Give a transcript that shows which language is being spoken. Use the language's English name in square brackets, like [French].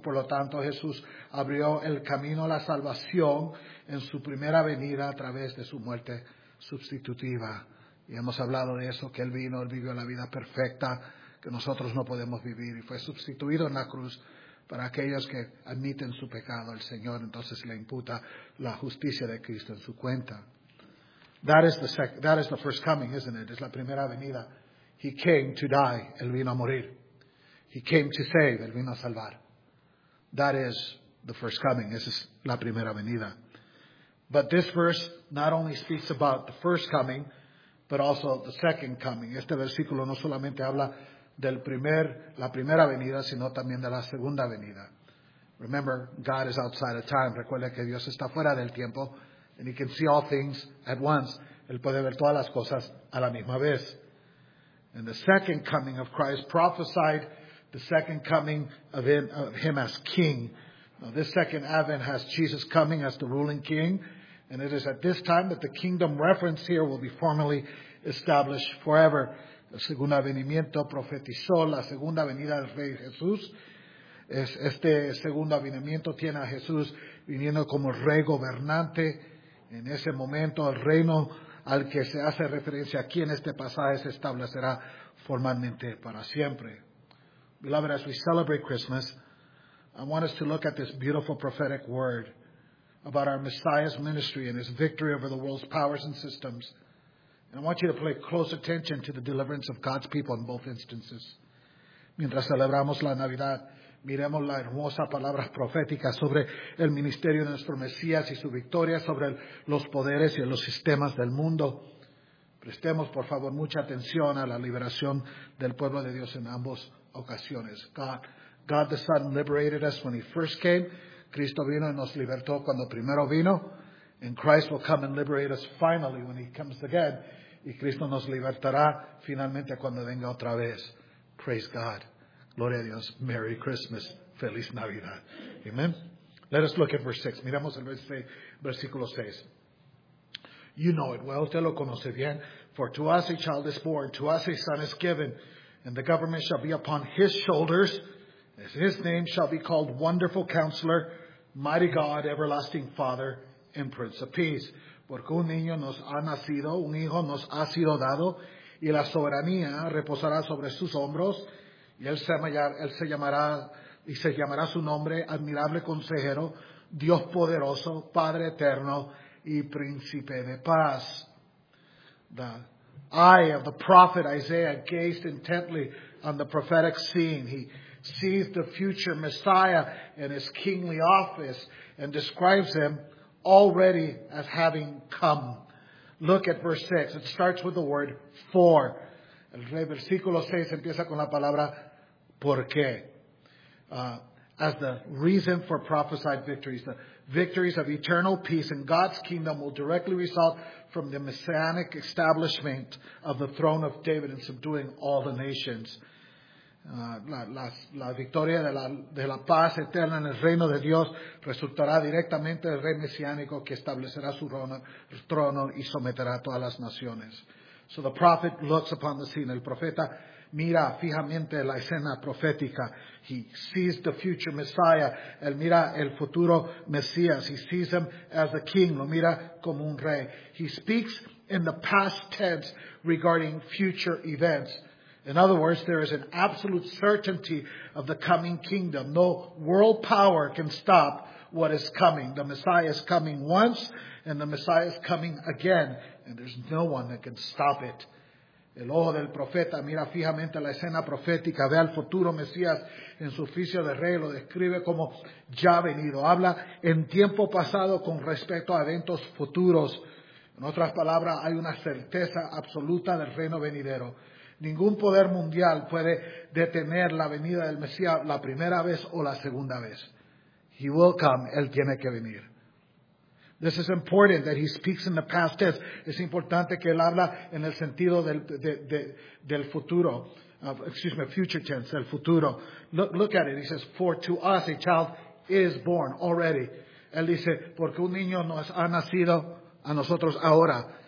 [Spanish] Por lo tanto, Jesús abrió el camino a la salvación en su primera venida a través de su muerte sustitutiva. Y hemos hablado de eso, que él vivió la vida perfecta que nosotros no podemos vivir. Y fue sustituido en la cruz para aquellos que admiten su pecado. El Señor entonces le imputa la justicia de Cristo en su cuenta. [English] That is the first coming, isn't it? [Spanish] Es la primera venida. [English] He came to die. [Spanish] Él vino a morir. [English] He came to save. [Spanish] Él vino a salvar. [English] That is the first coming. [Spanish] Esa es la primera venida. [English] But this verse not only speaks about the first coming, but also the second coming. [Spanish] Este versículo no solamente habla del la primera venida, sino también de la segunda venida. [English] Remember, God is outside of time. [Spanish] Recuerda que Dios está fuera del tiempo. [English] And he can see all things at once. [Spanish] Él puede ver todas las cosas a la misma vez. [English] And the second coming of Christ prophesied the second coming of him as king. Now, this second advent has Jesus coming as the ruling king. And it is at this time that the kingdom reference here will be formally established forever. [Spanish] El segundo venimiento profetizó la segunda venida del Rey Jesús. Este segundo venimiento tiene a Jesús viniendo como rey gobernante. En ese momento, el reino al que se hace referencia aquí en este pasaje se establecerá formalmente para siempre. [English] Beloved, as we celebrate Christmas, I want us to look at this beautiful prophetic word about our Messiah's ministry and his victory over the world's powers and systems. And I want you to pay close attention to the deliverance of God's people in both instances. [Spanish] Mientras celebramos la Navidad, miremos la hermosa palabra profética sobre el ministerio de nuestro Mesías y su victoria sobre los poderes y los sistemas del mundo. Prestemos, por favor, mucha atención a la liberación del pueblo de Dios en ambos ocasiones. [English] God the Son liberated us when he first came. [Spanish] Cristo vino y nos libertó cuando primero vino. [English] And Christ will come and liberate us finally when he comes again. [Spanish] Y Cristo nos libertará finalmente cuando venga otra vez. [English] Praise God. [Spanish] Gloria a Dios. [English] Merry Christmas. [Spanish] Feliz Navidad. [English] Amen. Let us look at verse 6. [Spanish] Miramos el versículo 6. [English] You know it well. [Spanish] Te lo conoce bien. [English] For to us a child is born. To us a son is given. And the government shall be upon his shoulders. As his name shall be called Wonderful Counselor, Mighty God, Everlasting Father, and Prince of Peace. [Spanish] Porque un niño nos ha nacido, un hijo nos ha sido dado, y la soberanía reposará sobre sus hombros. Y él se llamará su nombre, Admirable Consejero, Dios Poderoso, Padre Eterno, y Príncipe de Paz. [English] The eye of the prophet Isaiah gazed intently on the prophetic scene. He sees the future Messiah in his kingly office and describes him already as having come. Look at verse 6. It starts with the word for. [Spanish] El versículo 6 empieza con la palabra por qué. [English] As the reason for prophesied victories, the victories of eternal peace in God's kingdom will directly result from the messianic establishment of the throne of David and subduing all the nations. [Spanish] La victoria de la paz eterna en el reino de Dios resultará directamente del rey mesiánico que establecerá su trono y someterá a todas las naciones. [English] So the prophet looks upon the scene. [Spanish] El profeta mira fijamente la escena profética. [English] He sees the future Messiah. [Spanish] Él mira el futuro Mesías. [English] He sees him as a king. [Spanish] Lo mira como un rey. [English] He speaks in the past tense regarding future events. In other words, there is an absolute certainty of the coming kingdom. No world power can stop what is coming. The Messiah is coming once, and the Messiah is coming again, and there's no one that can stop it. [Spanish] El ojo del profeta mira fijamente la escena profética, ve al futuro Mesías en su oficio de rey, lo describe como ya venido. Habla en tiempo pasado con respecto a eventos futuros. En otras palabras, hay una certeza absoluta del reino venidero. Ningún poder mundial puede detener la venida del Mesías la primera vez o la segunda vez. [English] He will come. [Spanish] Él tiene que venir. [English] This is important that he speaks in the past tense. [Spanish] Es importante que él habla en el sentido del futuro. [English] Future tense, [Spanish] el futuro. [English] Look at it. He says, for to us a child is born already. [Spanish] Él dice, porque un niño nos ha nacido a nosotros ahora.